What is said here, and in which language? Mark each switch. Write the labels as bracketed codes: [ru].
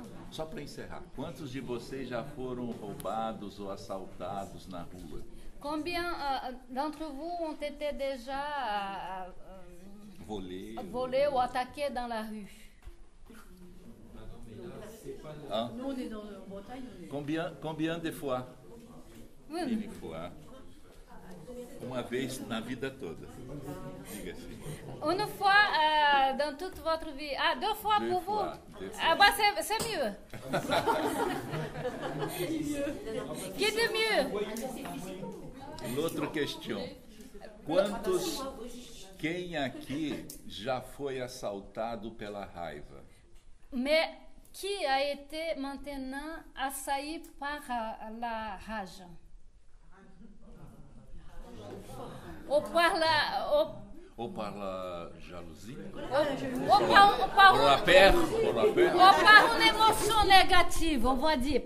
[pt] Só para encerrar. Quantos de vocês já foram roubados ou assaltados na rua? [fr] Combien d'entre vous ont été déjà volé ou attaqué dans la rue? Combien de fois? Une fois. [pt] Uma vez na vida toda. Diga-se. [fr] Uma fois dans toute votre vie. Ah, deux fois pour vous. Ah, bah, c'est mieux. Que de mieux? L'autre question. [pt] Quantos. Quem aqui já foi assaltado pela raiva? [fr] Mais qui a été maintenant assaillé par la rage? Ou par la jalousie? Ou par une émotion négative, on va dire.